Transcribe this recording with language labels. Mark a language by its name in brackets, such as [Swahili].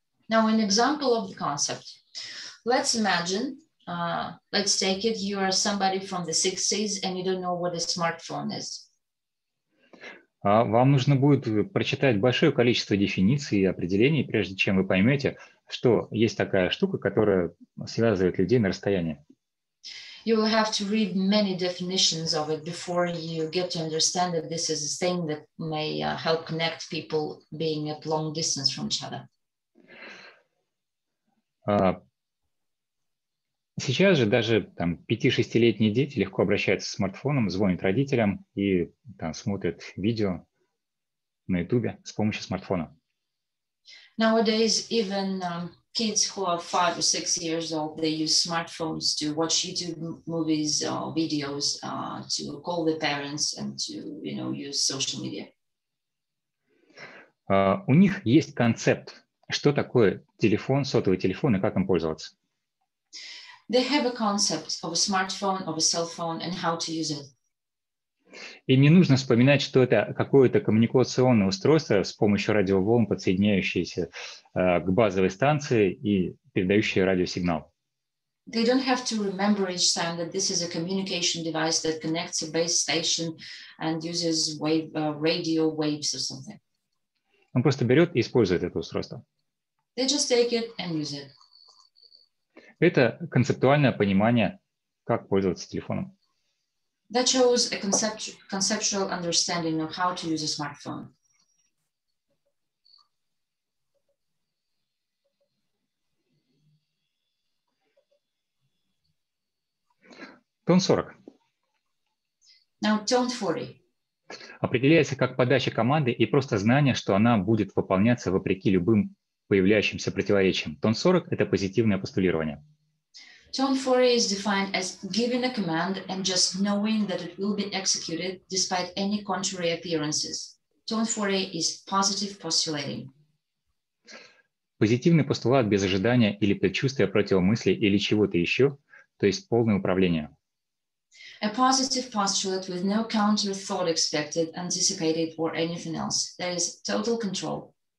[English] Now, an example of the concept. Let's imagine, let's take it, you are somebody from the 60s, and you don't know what a smartphone is. [Russian] Вам нужно будет прочитать большое количество дефиниций и определений, прежде чем вы поймете, что есть такая штука, которая связывает людей на расстоянии. [English] You will have to read many definitions of it before you get to understand that this is a thing that may help connect people being at long distance from each other. [Russian] Сейчас же даже там 5-6-летние дети легко обращаются к смартфонам, звонят родителям и там смотрят видео на Ютубе с помощью смартфона. [English] Nowadays, even kids who are 5 or 6 years old, they use smartphones to watch YouTube movies or videos, to call their parents and to, you know, use social media. [Russian] У них есть концепт, что такое телефон, сотовый телефон и как им пользоваться. [English] They have a concept of a smartphone, of a cell phone, and how to use it. [Russian] Им не нужно вспоминать, что это какое-то коммуникационное устройство с помощью радиоволн, подсоединяющееся к базовой станции и передающее радиосигнал. [English] They don't have to remember each time that this is a communication device that connects a base station and uses radio waves or something. [Russian] Он просто берет и использует это устройство. [English] They just take it and use it. [Russian] Это концептуальное понимание, как пользоваться телефоном. [English] That shows a conceptual understanding of how to use a smartphone. Tone 40. Now tone 40. [Russian] Определяется как подача команды и просто знание, что она будет выполняться вопреки любым появляющимся противоречием. Tone 40 – это позитивное постулирование. [English] Tone 40 is defined as giving a command and just knowing that it will be executed despite any contrary appearances. Tone 40 is positive postulating. [Russian] Позитивный постулат без ожидания или предчувствия противомысли или чего-то еще, то есть полное управление. [English] A positive postulate with no counter thought expected, anticipated or anything else. That is total control.